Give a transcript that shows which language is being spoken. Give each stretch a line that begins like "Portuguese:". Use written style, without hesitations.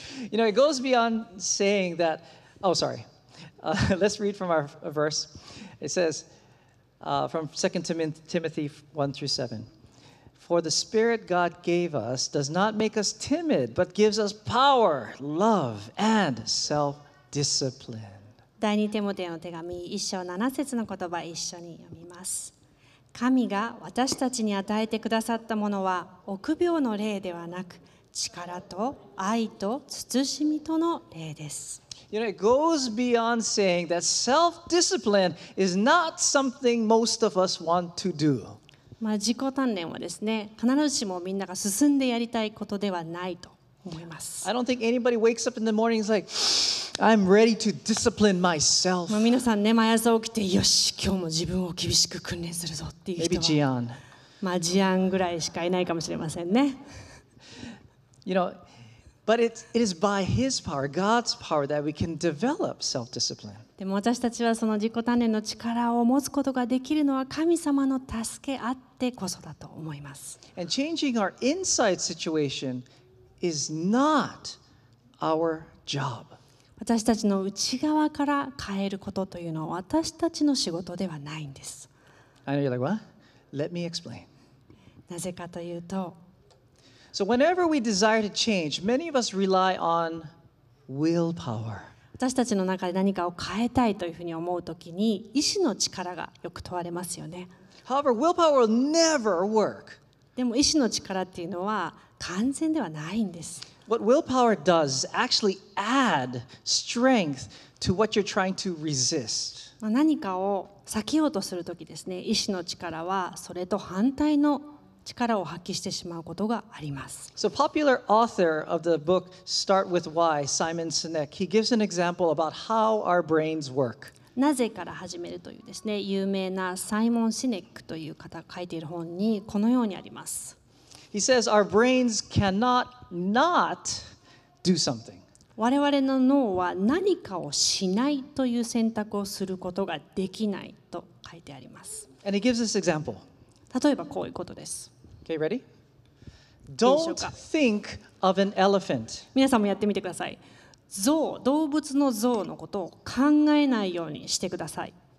English: You know, it goes beyond saying that. Oh, sorry. Let's read from our verse. It says, from 2 Timothy 1-7. For the Spirit God gave us does not make us timid, but gives us power, love, and self-discipline.
Japanese: 第2テモテの手紙1章7節の言葉一緒に読みます。神が私たちに与えてくださったものは臆病の霊ではなく、力と愛と慎みとの霊です。
English: You know, it goes beyond saying that self-discipline is not something most of us want to do.
Japanese: まあ、自己鍛錬はですね、必ずしもみんなが進んでやりたいことではないと思います。
English: I don't think anybody wakes up in the morning and is like, I'm ready to discipline myself.
Japanese: まあ、皆さんね、毎朝起きて、よし、今日も自分を厳しく訓練するぞっていう人は、
English: Maybe Gian.
Japanese: まあ、ジアンぐらいしかいないかもしれませんね。
English: You know, but it is by His power, God's power, that we can develop self-discipline.
Japanese: でも私たちはその自己鍛錬の力を持つことができるのは神様の助けあってこそだと思います。
English: And changing our inside situation is not our job.
Japanese: 私たちの内側から変えることというのは私たちの仕事ではないんです。
English: I know you're like, what? Let me explain.
Japanese: なぜかというと、
English: So whenever we desire to change, many of us rely on willpower.
Japanese: 私たちの中で何かを変えたいというふうに思うときに意志の力がよく問われますよね。
English: However, willpower will never work.
Japanese: でも意志の力っていうのは完全ではないんです。
English: What willpower does is actually add strength to what you're trying to resist.
Japanese: 何かを避けようとするときですね、意志の力はそれと反対の力を発揮してしまうことがあります。
English: So popular author of the book Start With Why, Simon Sinek, he gives an example about how our brains work.
Japanese: なぜから始めるというですね、有名なサイモン・シネックという方が書いている本にこのようにあります。
English: He says our brains cannot not do something.
Japanese: 我々の脳は何かをしないという選択をすることができないと書いてあります。
English: And he gives this example.
Japanese: 例えばこういうことです。
English: Okay, ready? Don't think of an elephant.
Japanese: 皆さんもやってみてください。象、動物の象のことを考えないようにしてください。